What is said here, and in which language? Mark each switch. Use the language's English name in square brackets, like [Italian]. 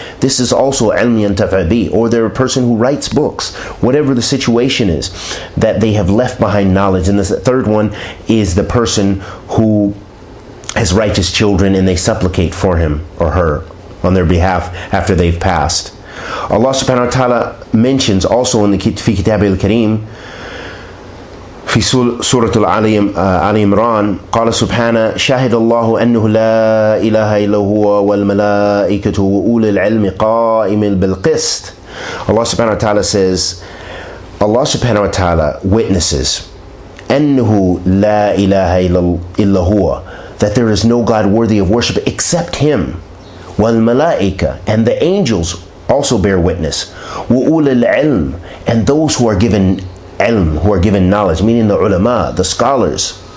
[English] This is also ilm yantafa bi, or they're a person who writes books. Whatever the situation is, that they have left behind knowledge. And the third one is the person who has righteous children, and they supplicate for him or her on their behalf after they've passed. Allah subhanahu wa ta'ala mentions also in the Kitab al-Kareem, [Arabic] في سورة آل عمران, قال سبحانه شهد الله أنه لا إله إلا هو والملائكة وأولي العلم قائم بالقسط. [English] Allah subhanahu wa ta'ala says, Allah subhanahu wa ta'ala witnesses [Arabic] أنه لا إله إلا هو, [English] that there is no God worthy of worship except Him, [Arabic] والملائكة, [English] and the angels also bear witness, [Arabic] وَأُولِ الْعِلْمِ, [English] and those who are given ilm, who are given knowledge, meaning the ulama, the scholars,